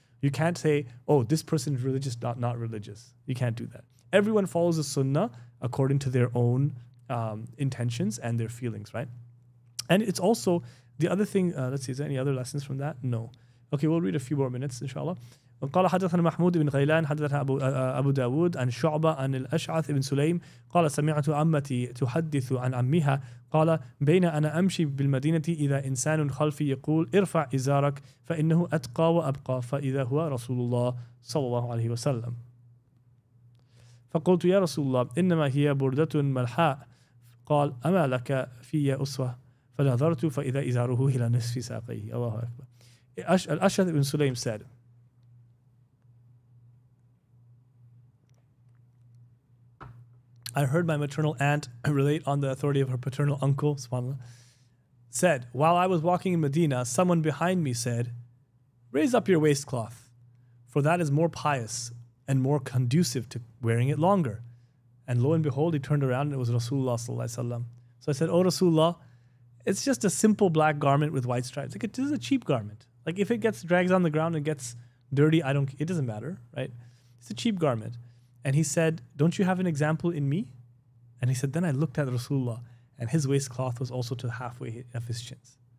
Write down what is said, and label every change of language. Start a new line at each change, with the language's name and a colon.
English: You can't say, oh, this person is religious, not religious. You can't do that. Everyone follows the sunnah according to their own intentions and their feelings, right? And it's also, the other thing, let's see, is there any other lessons from that? No. Okay, we'll read a few more minutes, inshallah.
Arabic: قال حدثنا محمود بن غيلان حدثنا أبو داود عن شعبة عن الأشعث بن سليم قال سمعت عمتي تحدث عن عمها قال بين أنا أمشي بالمدينة إذا إنسان خلفي يقول ارفع إزارك فإنه أتقى وأبقى فإذا هو رسول الله صلى الله عليه وسلم فقلت يا رسول الله إنما هي بردة ملحاء قال أما لك في يا أسوة فنظرت فإذا إزاره إلى نصف ساقيه الله أكبر الأشعث بن سليم
English: said I heard my maternal aunt relate on the authority of her paternal uncle, subhanAllah, said, while I was walking in Medina, someone behind me said, raise up your waistcloth, for that is more pious and more conducive to wearing it longer. And lo and behold, he turned around and it was Rasulullah sallallahu alaihi wasallam. So I said, oh Rasulullah, it's just a simple black garment with white stripes. Like, this is a cheap garment. Like, if it gets drags on the ground and gets dirty, it doesn't matter, right? It's a cheap garment. And he said, don't you have an example in me? And he said, then I looked at Rasulullah and his waistcloth was also to halfway of his chins.